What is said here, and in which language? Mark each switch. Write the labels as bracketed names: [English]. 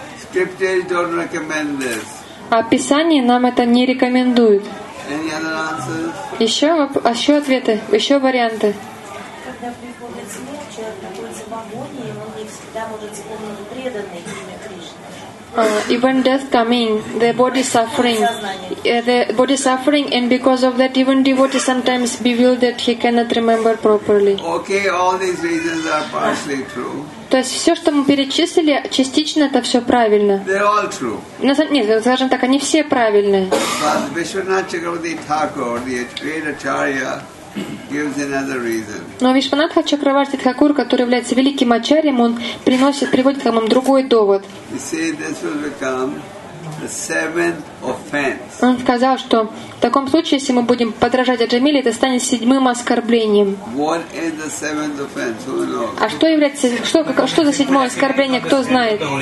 [English] Scriptures don't recommend this. [Russian] А Писание нам это не рекомендует. [English] Any other answers? [Russian] Еще ответы, еще варианты. Когда приходит смерть, человек находится в агонии, и он не всегда может вспомнить преданное имя Кришны. [English] Even death coming, the body suffering, the body suffering, and because of that, even devotee sometimes bewildered that he cannot remember properly. Okay, all these reasons are partially true. [Russian] То То есть все, что мы перечислили, частично это все правильно. [English] They're all true. [Russian] Нет, скажем так, они все правильные. [English] But Vishwanath Chakravarti Thakur, the great acharya, gives another reason. [Russian] Но Вишванатха Чакраварти Тхакур, который является великим ачарьем, он приносит, приводит к нам другой довод. [English] He said this will become the seventh offense. [Russian] Он сказал, что в таком случае, если мы будем подражать Аджамиле, это станет седьмым оскорблением. [English] What is the seventh offense? Who knows? [Russian] А что является, что за седьмое оскорбление, кто знает?